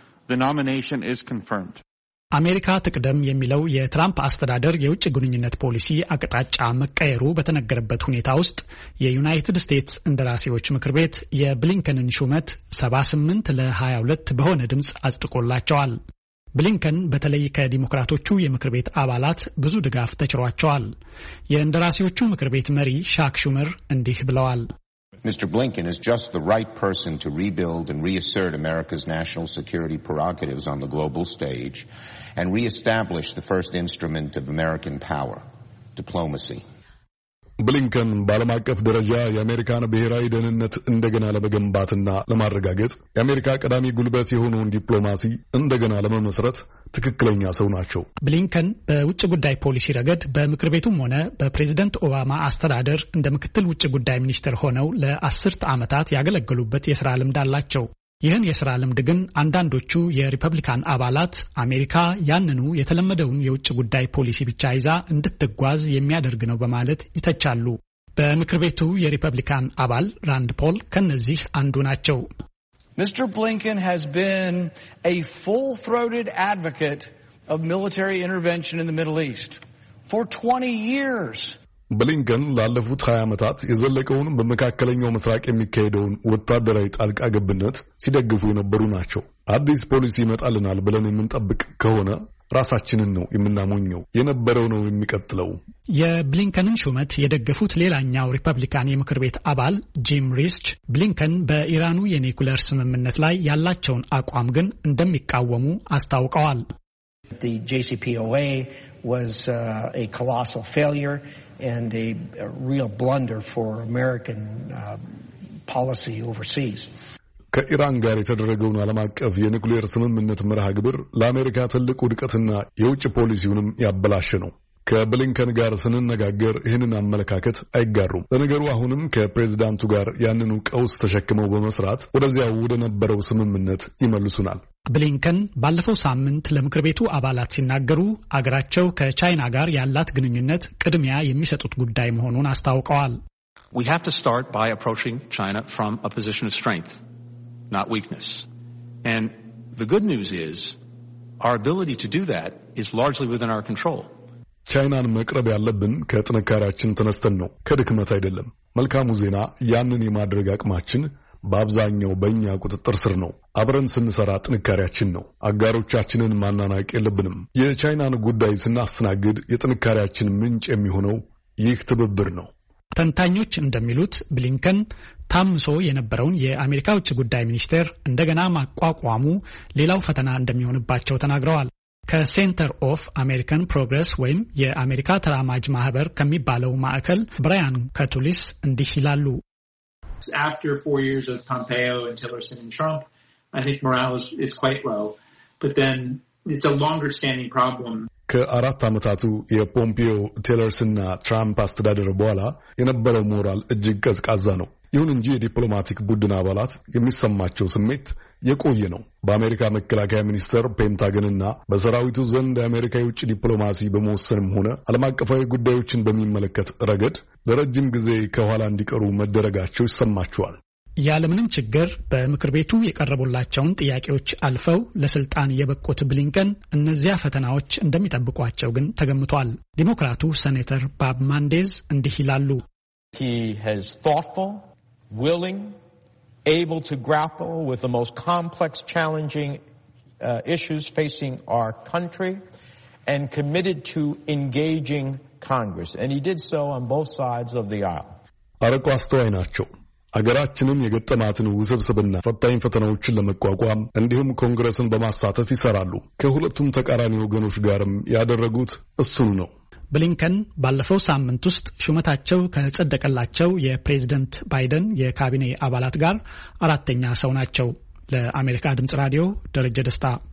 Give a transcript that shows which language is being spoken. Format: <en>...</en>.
<en>The nomination is confirmed.</en> <am>አሜሪካ ትቅደም የሚለው የትራምፕ አስተዳደር የውጭ ግንኙነት ፖሊሲ አቅጣጫ መቀየሩ በተነገረበት ሁኔታ ውስጥ የዩናይትድ ስቴትስ እንደራሴዎች ምክር ቤት የብሊንከንን ሹመት 78-22 በሆነ ድምጽ አጽድቆላቸዋል። ብሊንከን በተለይ ከዲሞክራቶቹ የምክር ቤት አባላት ብዙ ድጋፍ ተችሯቸዋል። የእንደራሴዎቹ ምክር ቤት መሪ ሻክ ሹመር እንዲህ ብለዋል።</am> <en>Mr. Blinken is just the right person to rebuild and reassert America's national security prerogatives on the global stage and reestablish the first instrument of American power, diplomacy.</en> <am>Blinken ባለም አቀፍ ደረጃ የአሜሪካን ብሔራዊ ደህንነት እንደገና ለመገንባትና ለማረጋጋት የአሜሪካ ቀዳሚ ጉልበት የሆነውን ዲፕሎማሲ እንደገና ለመመስረት ትክክለኛ ሰው ናቸው። ብሊንከን በውጭ ጉዳይ ፖሊሲ ረገድ በምክር ቤቱም ሆነ በፕሬዝደንት ኦባማ አስተዳደር እንደ ምክትል ውጭ ጉዳይ ሚኒስትር ሆነው ለአስርት ዓመታት ያገለገሉበት የሥራ ልምድ አላቸው። ይህን የሥራ ልምድ ግን አንዳንዶቹ የሪፐብሊካን አባላት አሜሪካ ያንኑ የተለመደውን የውጭ ጉዳይ ፖሊሲ ብቻ ይዛ እንድትጓዝ የሚያደርግ ነው በማለት ይተቻሉ። በምክር ቤቱ የሪፐብሊካን አባል ራንድ ፖል ከነዚህ አንዱ ናቸው።</am> <en>Mr. Blinken has been a full-throated advocate of military intervention in the Middle East for 20 years.</en> <am>ብሊንከን ላለፉት 20 አመታት የዘለቀውን በመካከለኛው ምስራቅ የሚካሄደውን ወታደራዊ ጣልቃ ገብነት ሲደግፉ የነበሩ ናቸው። አዲስ ፖሊሲ መጣልናል ብለን የምንጠብቅ ከሆነ ራሳችንን ነው የምናሞኘው የነበረው ነው የሚቀጥለው። የብሊንከንን ሹመት የደገፉት ሌላኛው ሪፐብሊካን የምክር ቤት አባል ጂም ሪስች ብሊንከን በኢራኑ የኒኩለር ስምምነት ላይ ያላቸውን አቋም ግን እንደሚቃወሙ አስታውቀዋል።</am> <en>The JCPOA was a colossal failure and a real blunder for American policy overseas.</en> <am>ከኢራን ጋር የተደረገው ዓለም አቀፍ የኒኩሌር ስምምነት መርሃ ግብር ለአሜሪካ ትልቅ ውድቀትና የውጭ ፖሊሲውንም ያበላሸ ነው። ከብሊንከን ጋር ስንነጋገር ይህንን አመለካከት አይጋሩም። ለነገሩ አሁንም ከፕሬዝዳንቱ ጋር ያንኑ ቀውስ ተሸክመው በመስራት ወደዚያው ወደ ነበረው ስምምነት ይመልሱናል። ብሊንከን ባለፈው ሳምንት ለምክር ቤቱ አባላት ሲናገሩ አገራቸው ከቻይና ጋር ያላት ግንኙነት ቅድሚያ የሚሰጡት ጉዳይ መሆኑን አስታውቀዋል።</am> <en>We have to start by approaching China from a position of strength, not weakness. And the good news is our ability to do that is largely within our control.</en> <am>ቻይናን መቅረብ ያለብን ከጥንካሬያችን ተነስተን ነው፣ ከድክመት አይደለም። መልካሙ ዜና ያንን የማድረግ አቅማችን በአብዛኛው በእኛ ቁጥጥር ስር ነው። አብረን ስንሰራ ጥንካሬያችን ነው። አጋሮቻችንን ማናናቅ የለብንም። የቻይናን ጉዳይ ስናስተናግድ የጥንካሬያችን ምንጭ የሚሆነው ይህ ትብብር ነው። ተንታኞች እንደሚሉት ብሊንከን ታምሶ የነበረውን የአሜሪካ ውጭ ጉዳይ ሚኒስቴር እንደገና ማቋቋሙ ሌላው ፈተና እንደሚሆንባቸው ተናግረዋል። ከሴንተር ኦፍ አሜሪካን ፕሮግረስ ወይም የአሜሪካ ተራማጅ ማህበር ከሚባለው ማዕከል ብራያን ካቱሊስ እንዲህ ይላሉ።</am> <en>After 4 years of Pompeo and Tillerson and Trump, I think morale is quite low. But then it's a longer standing problem.</en> <am>ከአራት አመታቱ የፖምፒዮ ቴለርስና ትራምፕ አስተዳደር በኋላ የነበረው ሞራል እጅግ ቀዝቃዛ ነው። ይሁን እንጂ የዲፕሎማቲክ ቡድን አባላት የሚሰማቸው ስሜት የቆየ ነው። በአሜሪካ መከላከያ ሚኒስቴር ፔንታገንና በሰራዊቱ ዘንድ አሜሪካ የውጭ ዲፕሎማሲ በመወሰንም ሆነ ዓለም አቀፋዊ ጉዳዮችን በሚመለከት ረገድ ለረጅም ጊዜ ከኋላ እንዲቀሩ መደረጋቸው ይሰማቸዋል። ያለምንም ችግር በምክር ቤቱ የቀረቡላቸውን ጥያቄዎች አልፈው ለስልጣን የበቁት ብሊንከን እነዚያ ፈተናዎች እንደሚጠብቋቸው ግን ተገምቷል። ዲሞክራቱ ሴኔተር ባብ ማንዴዝ እንዲህ ይላሉ።</am> <en>He has thoughtful, willing, able to grapple with the most complex challenging issues facing our country and committed to engaging Congress and he did so on both sides of the aisle.</en> <am>አርቆ አስተዋይ ናቸው። አገራችንን የገጠማትን ውስብስብና ፈታኝ ፈተናዎችን ለመቋቋም እንዲሁም ኮንግረስን በማሳተፍ ይሰራሉ። ከሁለቱም ተቃራኒ ወገኖች ጋርም ያደረጉት እሱን ነው። ብሊንከን ባለፈው ሳምንት ውስጥ ሹመታቸው ከጸደቀላቸው የፕሬዝደንት ባይደን የካቢኔ አባላት ጋር አራተኛ ሰው ናቸው። ለአሜሪካ ድምጽ ራዲዮ ደረጀ ደስታ።</am>